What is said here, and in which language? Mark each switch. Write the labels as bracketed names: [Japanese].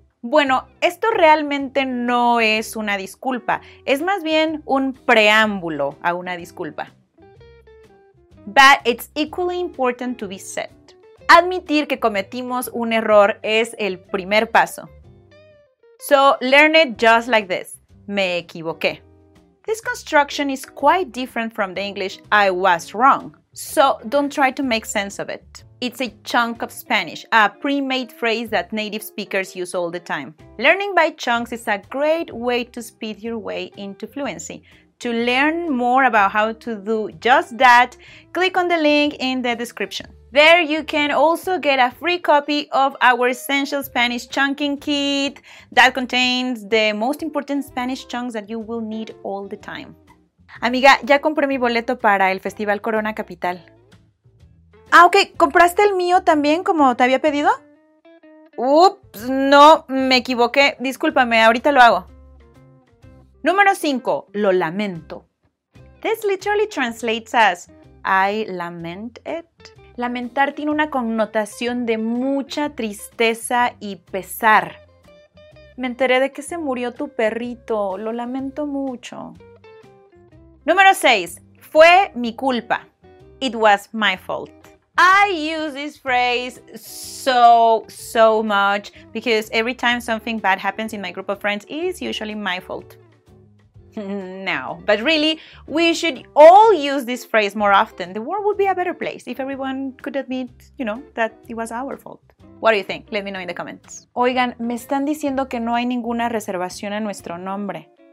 [Spanish] Bueno, esto realmente no es una disculpa, es más bien un preámbulo a una disculpa. [English] But it's equally important to be said. [Spanish] Admitir que cometimos un error es el primer paso. [English] So, learn it just like this. [Spanish] Me equivoqué. [English] This construction is quite different from the English I was wrong. So, don't try to make sense of it. It's a chunk of Spanish, a pre-made phrase that native speakers use all the time. Learning by chunks is a great way to speed your way into fluency. To learn more about how to do just that, click on the link in the description. There you can also get a free copy of our Essential Spanish Chunking Kit that contains the most important Spanish chunks that you will need all the time. [Spanish] Amiga, ya compré mi boleto para el Festival Corona Capital. Ah, ok, ¿compraste el mío también como te había pedido? Ups, no, me equivoqué. Discúlpame, ahorita lo hago. Número 5. Lo lamento. [English] This literally translates as I lament it. [Spanish] Lamentar tiene una connotación de mucha tristeza y pesar. Me enteré de que se murió tu perrito. Lo lamento mucho. Número 6. Fue mi culpa. [English] It was my fault. I use this phrase so, so much because every time something bad happens in my group of friends, it is usually my fault. No, but really, we should all use this phrase more often. The world would be a better place if everyone could admit, you know, that it was our fault. What do you think? Let me know in the comments. [Spanish] Oigan, me están diciendo que no hay ninguna reservación en nuestro nombre.